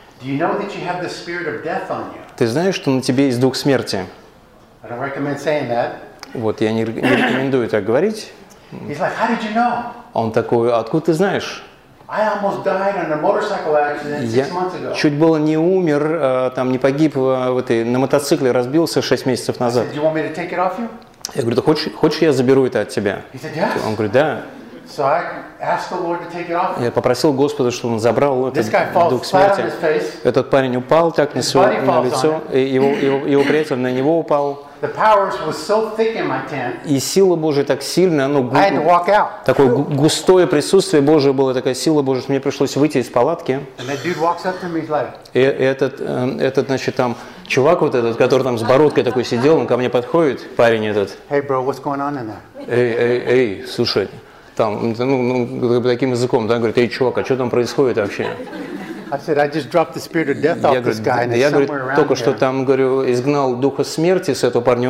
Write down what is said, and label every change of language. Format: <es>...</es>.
<en>Do you know that you have the spirit of death on you?</en> <ru>Ты знаешь, что на тебе есть дух смерти?</ru> <en>I don't recommend saying that.</en> <ru>Вот, я не рекомендую так говорить.</ru> <en>He's like, how did you know?</en> <ru>Он такой, откуда ты знаешь?</ru> <en>I almost died in a motorcycle accident 6 months ago.</en> <ru>Чуть было не умер, там не погиб в этой на мотоцикле, разбился 6 месяцев назад.</ru> <en>Do you want me to take it off you?</en> <ru>Я говорю, ты хочешь, я заберу это от тебя?</ru> <en>Said, yes.</en> <ru>Он говорит, да.</ru> <en>So I asked the Lord to take it off.</en> <ru>Я попросил Господа, чтобы он забрал этот дух смерти.</ru> <en>This guy falls flat on his face.</en> <ru>Этот парень упал так</ru> <en>his</en> <ru>на лицо, и его приятель на него упал.</ru> <en>The powers were so thick in my tent.</en> <ru>И сила Божия так сильная, оно</ru> <en>I had to walk out.</en> <ru>Такое густое присутствие Божие было, такая сила Божия, что мне пришлось выйти из палатки.</ru> <en>And that dude walks up to me, he's like.</en> <ru>И этот, значит, там чувак вот этот, который там с бородкой такой сидел, он ко мне подходит, парень этот.</ru> <en>Hey, bro, what's going on in there?</en> <ru>Эй, слушай, там, ну, таким языком, да, говорит, эй, чувак, а что там происходит вообще?</ru> <en>I said, I just dropped the spirit of death off this guy, and it's somewhere around here.</en> <ru>Я только что там говорю, изгнал духа смерти с этого парня.</ru>